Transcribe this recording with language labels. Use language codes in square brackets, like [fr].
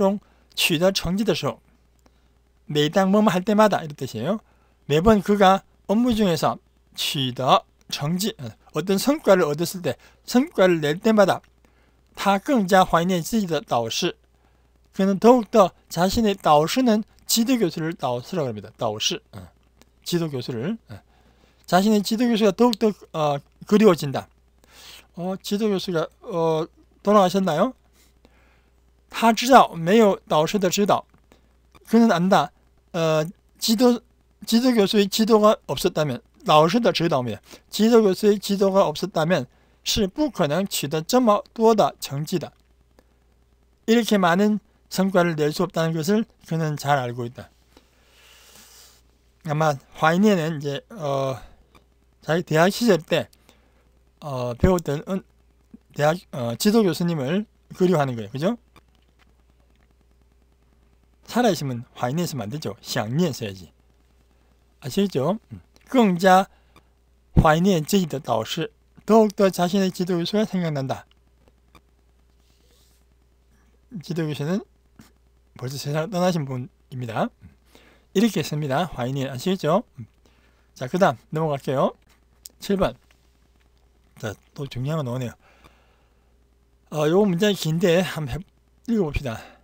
[zh] 每当他在工作中取得成绩的时候 [ko] 매당 뭐뭐 할 때마다 이런 뜻이에요. 매번 그가 업무 중에서 [zh] 取得成绩 [ko] 어떤 성과를 얻었을 때 성과를 낼 때마다 [zh] 他更加怀念自己的导师 [ko] 그는 더욱더 자신의 导师는 지도교수를 导师라고 합니다. 导师 지도교수를 자신의 지도교수가 더욱더 그리워진다. 지도교수가 돌아가셨나요? [zh] 他知道没有导师的指导 [ko] 그는 안다. 지도교수의 지도가 없었다면 [zh] 老师的指导面 [ko] 지도교수의 지도가 없었다면 [zh] 是不可能取得这么多的成绩的 [ko] 이렇게 많은 성과를 낼 수 없다는 것을 그는 잘 알고 있다. 아마 怀念은 이제 자기 대학 시절 때 배웠던 대학 지도 교수님을 그리워하는 거예요. 그죠? 살아있으면 화인했으면 안 되죠. 想念해야지. 아시겠죠? [zh] 更加 怀念自己的导师, [ko] 더욱더 자신의 지도교수가 생각난다. 지도교수는 벌써 세상을 떠나신 분입니다. 이렇게 씁니다. 怀念, 아시겠죠? 자, 그 다음 넘어갈게요. 7번. 자, 또 중요한 거 나오네요. 요 문장이 긴데 한번 읽어봅시다.